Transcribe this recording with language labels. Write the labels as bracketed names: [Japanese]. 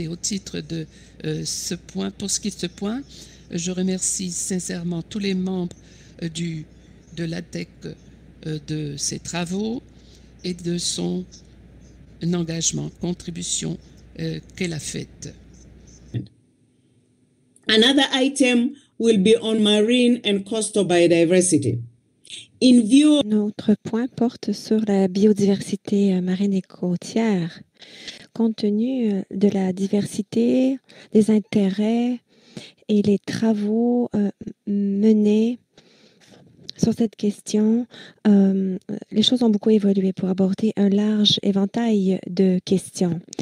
[French] Et au titre de ce point, pour ce qui est de ce point, je remercie sincèrement tous les membres de l'ADEC de ses travaux et de son engagement, contribution qu'elle a faite. [English] Another item will be on marine and coastal biodiversity. In view of... [French] Notre point porte sur la biodiversité marine et côtière. Compte tenu de la diversité, des intérêts et les travaux menés Sur cette question, les choses ont beaucoup évolué pour aborder un large éventail de questions.